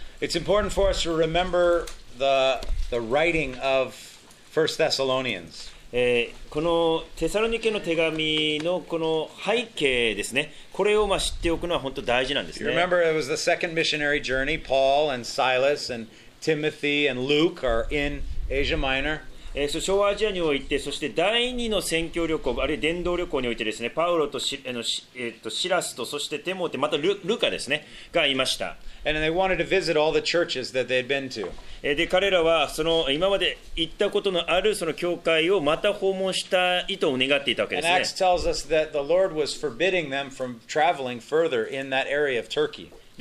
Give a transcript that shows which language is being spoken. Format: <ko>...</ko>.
<en>It's important for us to remember the writing of 1 Thessalonians.</en> <ja>このテサロニケの手紙のこの背景ですね、これを知っておくのは本当に大事なんですね。</ja> <en>Remember, it was the second missionary journey. Paul and Silas and Timothy and Luke are in Asia Minor.</en> <ja>小アジアにおいて、そして第二の宣教旅行、あるいは伝道旅行においてですね、パウロとシラスと、そしてテモテ、またルカですね、がいました。</ja> <en>And they wanted to visit all the churches that they'd been to.</en> <ja>で、彼らはその今まで行ったことのあるその教会をまた訪問したいと願っていたわけですね。</ja> <en>And Acts tells us that the Lord was forbidding them from traveling further in that area of Turkey.</en>